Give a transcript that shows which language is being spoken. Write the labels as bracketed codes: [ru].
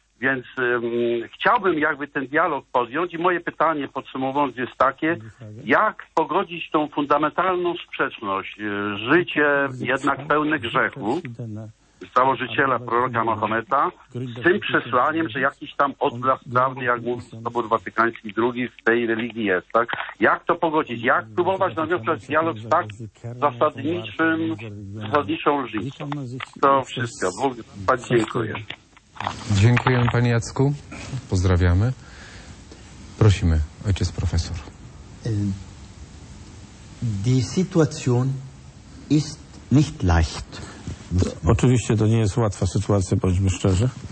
[pl] Więc chciałbym jakby ten dialog podjąć i moje pytanie podsumowując jest takie, jak pogodzić tą fundamentalną sprzeczność, życie jednak pełne grzechu założyciela proroka Mahometa z tym przesłaniem, że jakiś tam odblask prawny, jak mówi Sobór Watykański II w tej religii jest, tak? Jak to pogodzić? Jak próbować nawiązać dialog z tak zasadniczym, zasadniczą różnicą? To wszystko. Bardzo dziękuję. Dziękujemy panie Jacku. Pozdrawiamy. Prosimy, ojciec profesor. [de] Die Situation ist nicht leicht. [pl] Oczywiście to nie jest łatwa sytuacja, bądźmy szczerzy.